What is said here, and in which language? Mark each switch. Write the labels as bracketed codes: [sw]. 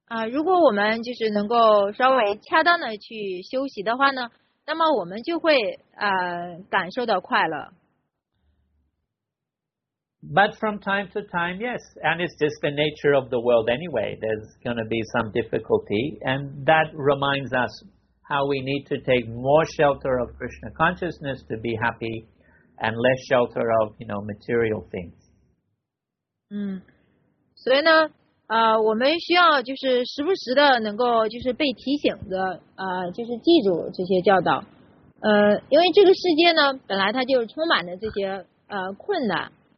[zh] 如果我们就是能够稍微恰当的去休息的话呢，那么我们就会感受到快乐。 [en] But from time to time, yes. And it's just the nature of the world anyway. There's going to be some difficulty. And that reminds us how we need to take more shelter of Krishna consciousness to be happy and less shelter of, you know, material things. [zh] 所以呢，我们需要就是时不时的能够就是被提醒的，就是记住这些教导。因为这个世界呢，本来它就充满了这些困难。